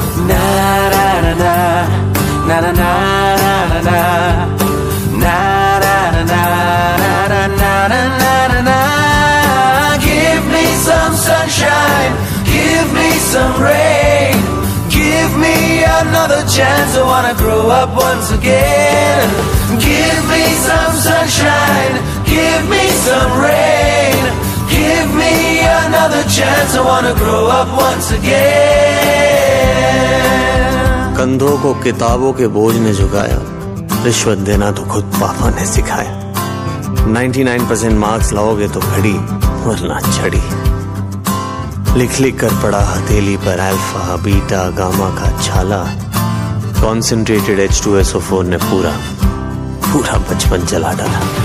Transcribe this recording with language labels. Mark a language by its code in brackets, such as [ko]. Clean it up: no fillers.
[en] ना ना ना ना ना ना ना ना ना ना ना ना ना ना ना ना ना ना ना ना ना ना give me some sunshine, give me some rain, give me another chance, I wanna grow up once again. Give me some sunshine, give me some rain, give me another chance, I wanna grow up once again. [hi] कंधों को किताबों के बोझ ने झुकाया, रिश्वत देना तो खुद पापा ने सिखाया। 99% मार्क्स लाओगे तो घड़ी वरना छड़ी। लिख लिख कर पड़ा हथेली पर अल्फा बीटा गामा का छाला, कॉन्सेंट्रेटेड H2SO4 ने पूरा पूरा बचपन जला डाला।